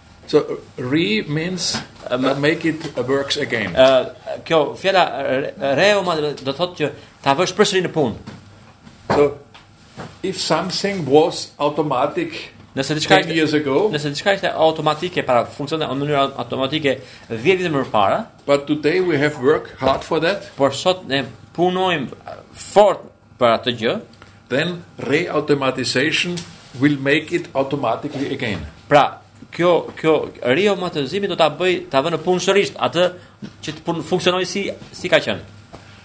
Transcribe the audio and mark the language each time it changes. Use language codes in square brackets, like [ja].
[en] So re means make it works again. [sq] Kjo fjala re-automatizim do thotë që ta vësh përsëri në punë. [en] So if something was automatic, [sq] nëse diçka [en] 10 years ago, [sq] nëse diçka ishte automatike para, funksionon në mënyrë automatike 10 vite më parë. [en] But today we have worked hard for that. [sq] Por sot ne punojmë fort për atë gjë. [en] Then re-automatization will make it automatically again. [sq] Pra, kjo re-automatizimi do ta bëj ta vënë në punë sërish atë që të funksionojë si ka qenë.